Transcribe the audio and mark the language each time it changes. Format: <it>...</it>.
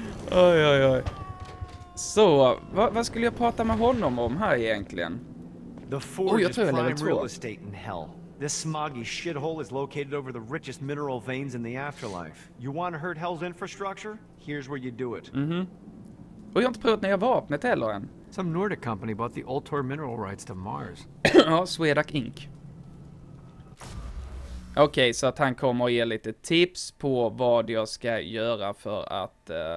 <sv>Oj, oj, oj. Så, vad skulle jag prata med honom om här egentligen? Oj, jag tror jag lever tråd.</sv> <en>This smoggy shithole is located over the richest mineral veins in the afterlife. You want to hurt Hell's infrastructure? Here's where you do it. Mm-hmm.</en> <sv>Och jag har inte provat nya vapnet heller än.</sv> <en>Some Nordic company bought the Ultor mineral rights to Mars.</en> <sv>Ja, Swedak Inc. Okej, så att han kommer att ge lite tips på vad jag ska göra för att...</sv>